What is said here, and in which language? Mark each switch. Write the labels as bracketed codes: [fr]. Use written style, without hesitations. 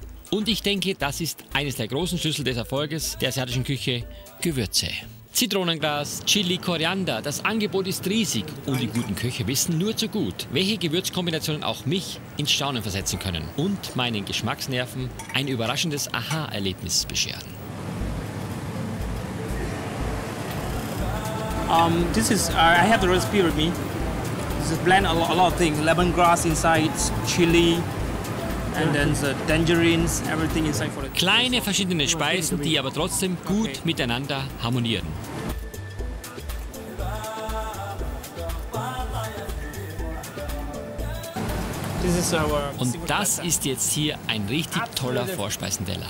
[de] Und ich denke, das ist eines der großen Schlüssel des Erfolges der asiatischen Küche, Gewürze. Zitronengras, Chili, Koriander, das Angebot ist riesig und die guten Köche wissen nur zu gut, welche Gewürzkombinationen auch mich ins Staunen versetzen können und meinen Geschmacksnerven ein überraschendes Aha-Erlebnis bescheren. [en] This is, I have the recipe with me. This is blend a lot of things, lemongrass inside, chili, and then the tangerines, everything inside for the [de] kleine verschiedene Speisen, die aber trotzdem gut miteinander harmonieren. Und das ist jetzt hier ein richtig toller Vorspeisenteller.